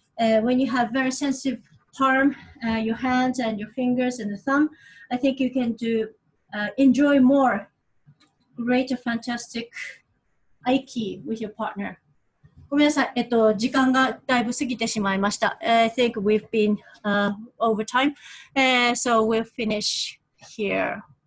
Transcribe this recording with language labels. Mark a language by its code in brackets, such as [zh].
[en] When you have very sensitive palm, your hands and your fingers and the thumb, I think you can do, enjoy more great or fantastic合気 with your partner. [ja] ごめんなさい、時間がだいぶ過ぎてしまいました。 [en] I think we've been, over time, so we'll finish here.